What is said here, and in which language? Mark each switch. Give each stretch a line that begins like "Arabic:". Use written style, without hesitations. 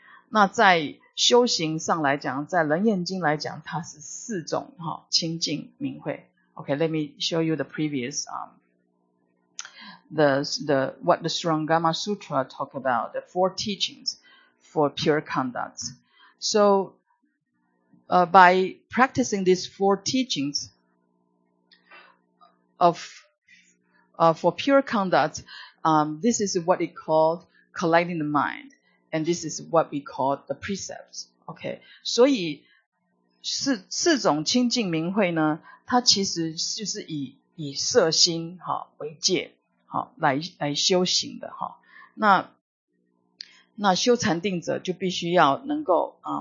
Chinese: 那在修行上来讲，在楞严经来讲，它是四种清净明慧。
English: Okay, let me show you the previous, what the Sarangama Sutra talk about, the four teachings for pure conduct. So, By practicing these four teachings for pure conduct, this is what it called collecting the mind, and this is what we call the precepts.
Chinese: Okay, 所以四种清净明慧呢，它其实就是以色心为戒，来修行的。那修禅定者就必须要能够，